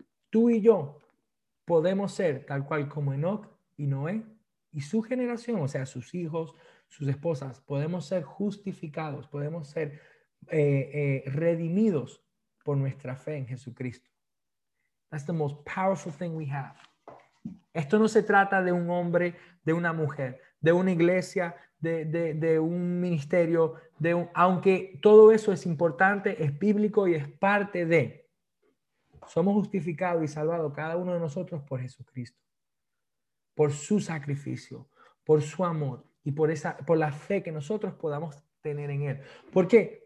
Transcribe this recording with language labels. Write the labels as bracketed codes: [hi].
[es] Tú y yo podemos ser tal cual como Enoch y Noé y su generación, o sea, sus hijos, sus esposas, podemos ser justificados, podemos ser redimidos por nuestra fe en Jesucristo. [en] That's the most powerful thing we have. [es] Esto no se trata de un hombre, de una mujer, de una iglesia, de un ministerio, aunque todo eso es importante, es bíblico y es parte de. Somos justificados y salvados cada uno de nosotros por Jesucristo, por su sacrificio, por su amor y por la fe que nosotros podamos tener en Él. ¿Por qué?